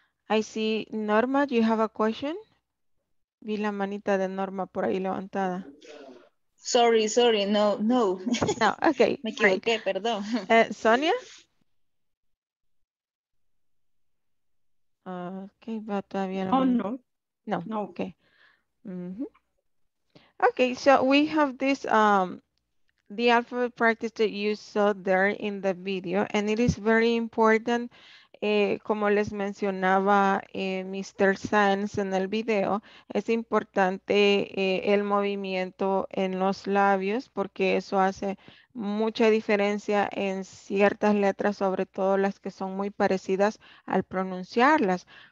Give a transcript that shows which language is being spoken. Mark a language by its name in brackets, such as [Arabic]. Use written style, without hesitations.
[English] I see Norma, do you have a question? [Spanish] Vi la manita de Norma por ahí levantada. [English] Sorry, no. No, okay. [Spanish] Me equivoqué, [English] right. [Spanish] Perdón. Sonia? [English] Okay, but [Spanish] todavía [English] no. Oh, no. No, okay. Mm-hmm. Okay, so we have this, the alphabet practice that you saw there in the video, and it is very important. [Spanish] Como les mencionaba Mr. Sanz en el video, es importante el movimiento en los labios porque eso hace mucha diferencia en ciertas letras, sobre todo las que son muy parecidas al pronunciarlas.